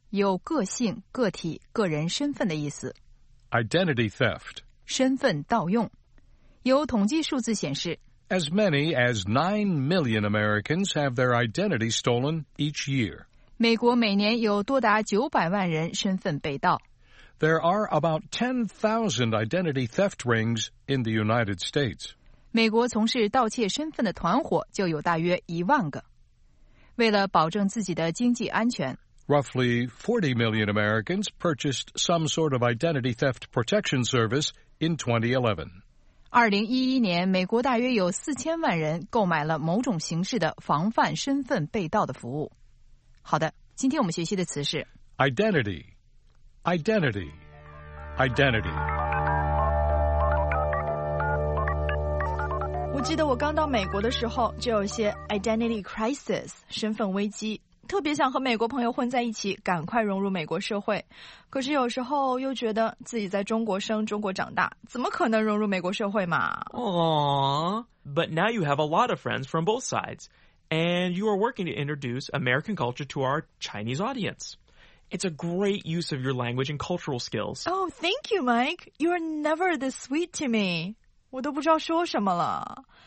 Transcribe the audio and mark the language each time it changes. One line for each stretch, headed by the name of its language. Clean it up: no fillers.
Chinese: 有个性、个体、个人身份的意思。
English: Identity theft.
Chinese: 身份盗用。有统计数字显示
English: ，As many as 9 million Americans have their identity stolen each year.
Chinese: 美国每年有多达900万人身份被盗。
English: There are about 10,000 identity theft rings in the United States.
Chinese: 美国从事盗窃身份的团伙就有大约10,000个。为了保证自己的经济安全。
English: Roughly 40 million Americans purchased some sort of identity theft protection service in 2011.
Chinese: 2011 年，美国大约有4000万人购买了某种形式的防范身份被盗的服务。好的，今天我们学习的词是
English: identity, identity, identity。
Chinese: 我记得我刚到美国的时候，就有些 identity crisis, 身份危机，特别想和美国朋友混在一起，赶快融入美国社会。可是有时候又觉得自己在中国生、中国长大，怎么可能融入美国社会嘛？
English: But now you have a lot of friends from both sides, and you are working to introduce American culture to our Chinese audience. It's a great use of your language and cultural skills. Oh, thank you, Mike. You are never this sweet to me.
Chinese: 我都不知道说什么了。